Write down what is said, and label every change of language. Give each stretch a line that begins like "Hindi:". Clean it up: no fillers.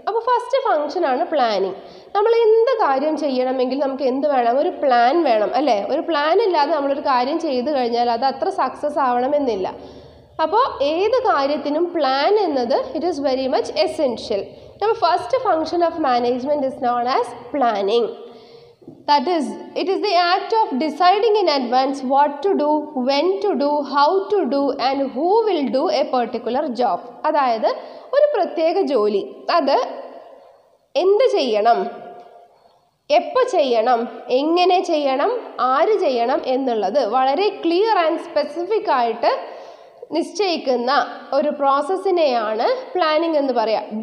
Malayalam: അപ്പോൾ ഫസ്റ്റ് ഫംഗ്ഷനാണ് പ്ലാനിങ്. നമ്മൾ എന്ത് കാര്യം ചെയ്യണമെങ്കിൽ നമുക്ക് എന്ത് വേണം, ഒരു പ്ലാൻ വേണം അല്ലേ. ഒരു പ്ലാൻ ഇല്ലാതെ നമ്മളൊരു കാര്യം ചെയ്ത് കഴിഞ്ഞാൽ അത് അത്ര സക്സസ് ആവണമെന്നില്ല. അപ്പോൾ ഏത് കാര്യത്തിനും പ്ലാൻ എന്നത്
English: It is very much essential. നമ്മൾ first function of management is known as planning. That is, it is the act of deciding in advance what to do, when to do, how to do and who will do a particular job.
Malayalam: അതായത് ഒരു പ്രത്യേക ജോലി, അത് എന്ത് ചെയ്യണം, എപ്പോൾ ചെയ്യണം, എങ്ങനെ ചെയ്യണം, ആര് ചെയ്യണം എന്നുള്ളത് വളരെ ക്ലിയർ ആൻഡ് സ്പെസിഫിക് ആയിട്ട് നിശ്ചയിക്കുന്ന ഒരു പ്രോസസ്സിനെയാണ് പ്ലാനിങ് എന്ന് പറയുക.